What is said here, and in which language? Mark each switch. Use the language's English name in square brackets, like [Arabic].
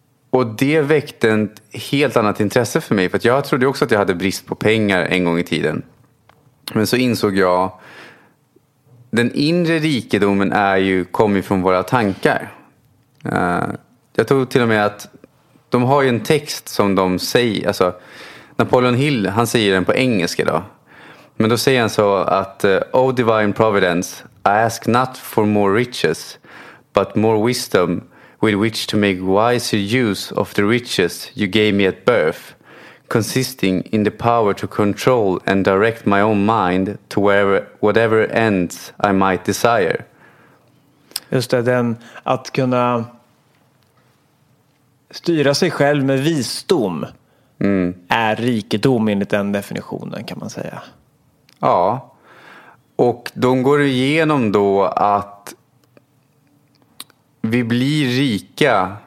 [Swedish] Och det väckte ett helt annat intresse för mig. För att jag trodde också att jag hade brist på pengar en gång i tiden. Men så insåg jag, den inre rikedomen är ju kommit från våra tankar. Jag tror till och med att de har ju en text som de säger, alltså Napoleon Hill, han säger den på engelska då. Men då säger han så att, [English] O divine providence, I ask not for more riches, but more wisdom with which to make wiser use of the riches you gave me at birth, consisting in the power to control and direct my own mind to wherever, whatever ends I might desire. [Swedish] Just det, den att kunna styra sig själv med visdom. är rikedom enligt den definitionen, kan man säga. Ja, och de går igenom då att vi blir rika.